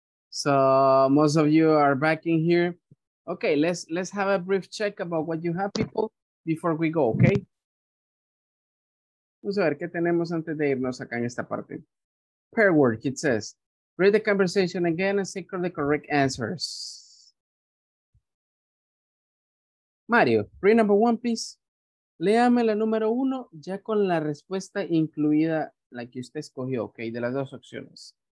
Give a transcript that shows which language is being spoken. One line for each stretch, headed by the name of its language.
English: So most of you are back in here. Okay, let's have a brief check about what you have, people, before we go, okay?
Spanish: Vamos a ver qué tenemos antes de irnos acá en esta parte.
English: Pair work, it says, read the conversation again and secure the correct answers. Mario, read number one, please.
Spanish: Léame la número uno ya con la respuesta incluida. La que usted escogió, ok, de las dos opciones.